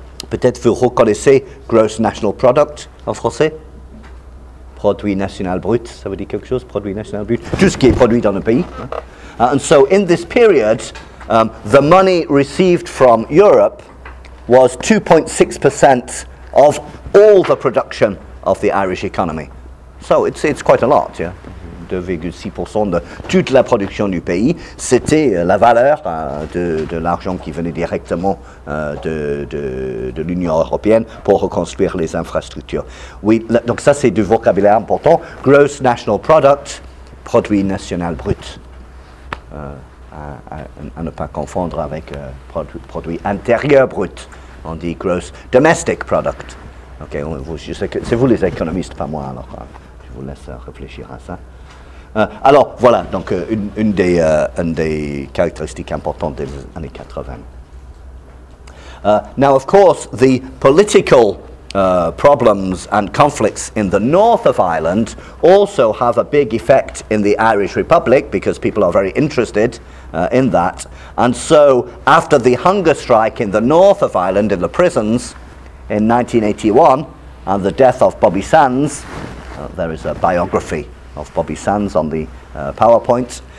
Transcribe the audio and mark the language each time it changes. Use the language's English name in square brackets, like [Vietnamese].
[French] Peut-être vous reconnaissez [English] gross national product [French] en français? Produit national brut, ça veut dire quelque chose? Produit national brut, tout ce qui est produit dans le pays. [English] And so in this period, the money received from Europe was 2.6% of all the production of the Irish economy. So it's quite a lot, yeah. [French] 2,6% de toute la production du pays, c'était la valeur de l'argent qui venait directement de l'Union européenne pour reconstruire les infrastructures. Oui, donc ça c'est du vocabulaire important. [English] Gross national product, [French] produit national brut, à ne pas confondre avec produit intérieur brut. On dit [English] gross domestic product. [French] Ok, je sais que c'est vous les économistes, pas moi. Alors, je vous laisse réfléchir à ça. Alors, voilà, donc une des caractéristiques importantes des années 80. [English] Now, of course, the political problems and conflicts in the north of Ireland also have a big effect in the Irish Republic, because people are very interested in that. And so, after the hunger strike in the north of Ireland in the prisons in 1981, and the death of Bobby Sands, there is a biography of Bobby Sands on the PowerPoint.